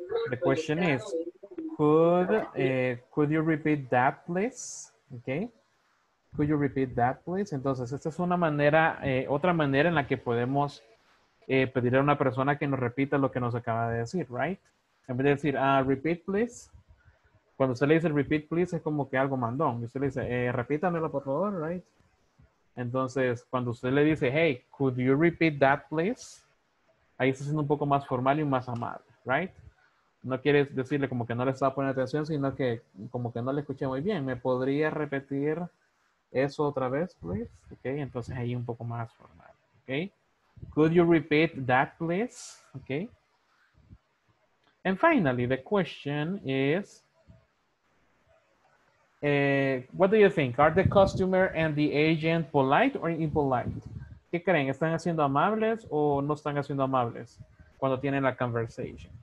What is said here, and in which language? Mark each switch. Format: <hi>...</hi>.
<en>The question is, could you repeat that, please? Okay. Could you repeat that, please?</en> <es>Entonces, esta es una manera, otra manera en la que podemos pedirle a una persona que nos repita lo que nos acaba de decir, right? En vez de decir,</es> <en>repeat, please.</en> <es>Cuando usted le dice repeat, please, es como que algo mandón. Y usted le dice, repítamelo, por favor, right? Entonces, cuando usted le dice,</es> <en>hey, could you repeat that, please?</en> <es>Ahí está siendo un poco más formal y más amable, right? No quiere decirle como que no le estaba poniendo atención, sino que como que no le escuché muy bien. ¿Me podría repetir eso otra vez, please? Ok, entonces ahí un poco más formal, ok?</es> <en>Could you repeat that, please? Okay. And finally, the question is, what do you think? Are the customer and the agent polite or impolite?</en> <es>¿Qué creen? ¿Están haciendo amables o no están haciendo amables cuando tienen la conversation?</es>